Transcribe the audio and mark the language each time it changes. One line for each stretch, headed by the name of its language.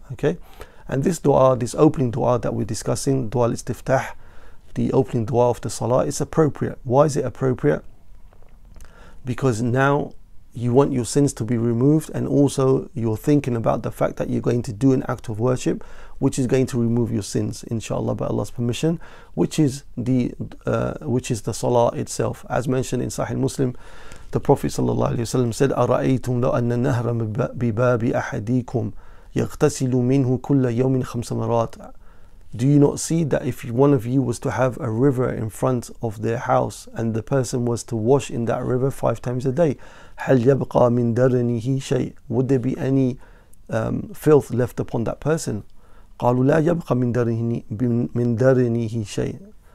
English: Okay, and this dua, this opening dua that we're discussing, dua al-istiftah, the opening dua of the salah, is appropriate. Why is it appropriate? Because now you want your sins to be removed, and also you're thinking about the fact that you're going to do an act of worship which is going to remove your sins, inshallah, by Allah's permission, which is the salah itself. As mentioned in Sahih Muslim, the Prophet sallallahu alaihi wasallam said,
Arabic: أَرَأَيْتُمْ لَوْ أَنَّ النَّهْرَ بِبَابِ أَحَدِيكُمْ يَغْتَسِلُ مِنْهُ كُلَّ يَوْمٍ خَمْسَ مَرَاتٍ.
English: Do you not see that if one of you was to have a river in front of their house and the person was to wash in that river 5 times a day,
Arabic: هَلْ يَبْقَى مِنْ دَرَنِهِ شَيْءٍ,
English: would there be any filth left upon that person?
Arabic: قَالُوا لَا يَبْقَى مِنْ دَرَنِهِ شَيْءٍ.